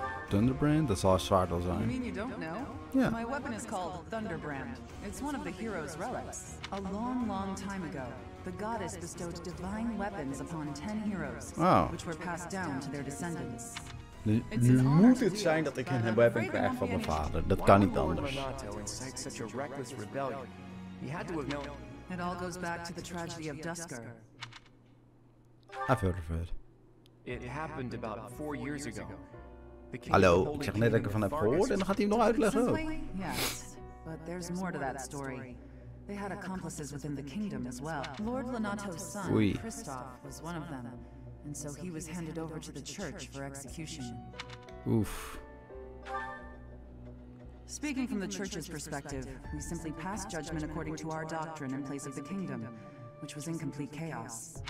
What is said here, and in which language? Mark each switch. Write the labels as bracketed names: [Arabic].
[English] Thunderbrain? That's all Swartel is. You mean you don't know? Yeah. My weapon is called Thunderbrand. It's one of the hero's relics. A long, long time ago, the goddess bestowed divine weapons upon 10 heroes, which were passed down to their descendants. [Dutch] Nu moet het zijn dat ik een weapon krijg van mijn vader. Dat kan niet anders. [English] It all goes back to the tragedy of Dusker. I've heard of it. It happened about 4 years ago. [Dutch] Hallo, ik zeg net dat ik ervan heb gehoord en dan gaat hij hem nog uitleggen. [English] Yes, but there's more to that story. They had accomplices within the kingdom as well. Lord Lenato's son, Kristoff, was one of them. And so he was handed over to the church for execution. Oof. Speaking from the church's perspective, we simply passed judgment according to our doctrine in place of the kingdom, which was in complete chaos.